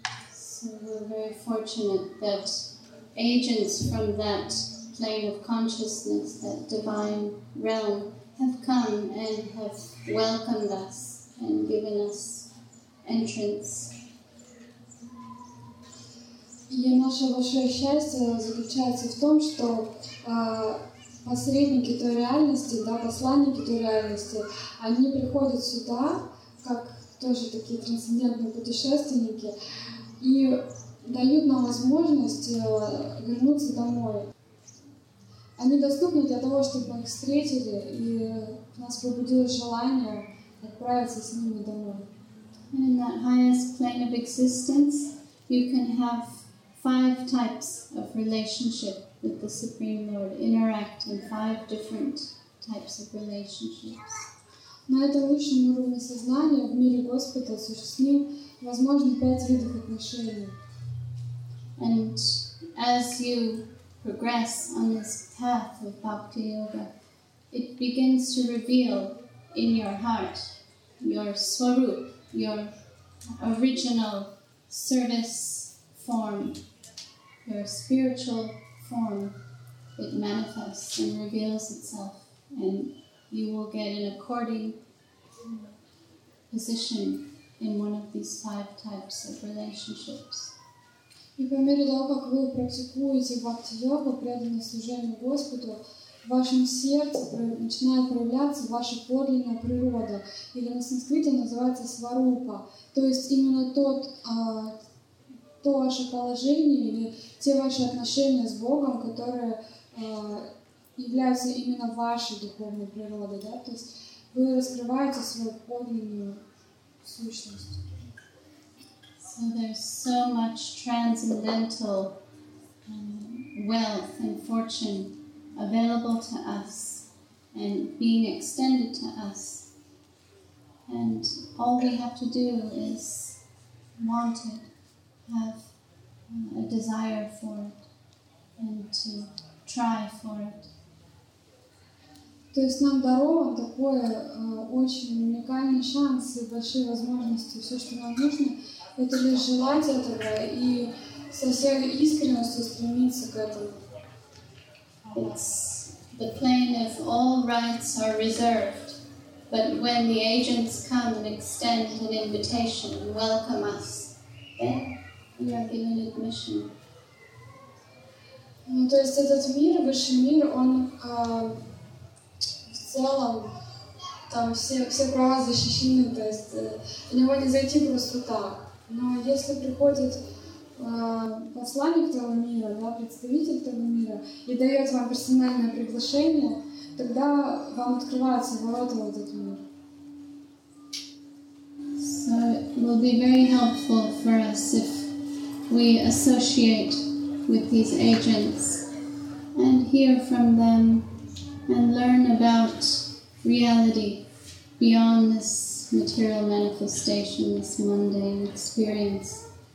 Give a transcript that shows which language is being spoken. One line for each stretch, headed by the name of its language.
English: So we're very fortunate that agents from that plane of consciousness, that divine realm, have come and have welcomed us and given us entrance.
Russian: И наше большое счастье заключается в том, что посредники той реальности, да, посланники той реальности, они приходят сюда, как тоже такие трансцендентные путешественники, и дают нам возможность вернуться домой. Они доступны для того, чтобы мы их встретили, и у нас пробудилось желание отправиться с ними домой.
English: And in that highest plane of existence, you can have five types of relationship with the Supreme Lord, interact in five different types of relationships.
Russian: На этом высшем уровне сознания в мире Господа существует возможно, 5 видов отношений.
English: And as you progress on this path of bhakti yoga, it begins to reveal in your heart your swarup, your original service form, your spiritual form. It manifests and reveals itself, and you will get an according position in one of these five types of relationships.
Russian: И по мере того, как вы практикуете бхакти-йогу, преданное служение Господу, в вашем сердце начинает проявляться ваша подлинная природа, или на санскрите называется сварупа, то есть именно то ваше положение или те ваши отношения с Богом, которые являются именно вашей духовной природой, да? То есть вы раскрываете свою подлинную
English: So there's so much transcendental wealth and fortune available to us and being extended to us. And all we have to do is want it, have a desire for it, and to try for it.
Russian: То есть нам дарован такой очень уникальный шанс и большие возможности. Все, что нам нужно, это лишь желать этого и со всей искренностью стремиться к этому.
English: It's the plane of all rights are reserved, but when the agents come and extend an invitation and welcome us, then we are given admission.
Russian: Ну, то есть этот мир, высший мир, он в целом, там все права защищены, то есть в него не зайти просто так. Но если приходит посланник того мира, да, представитель того мира, и дает вам персональное приглашение, тогда вам открываются ворота в этот мир.
English: So it will be very helpful for us if we associate with these agents and hear from them and learn about reality beyond this material manifestation, this mundane experience.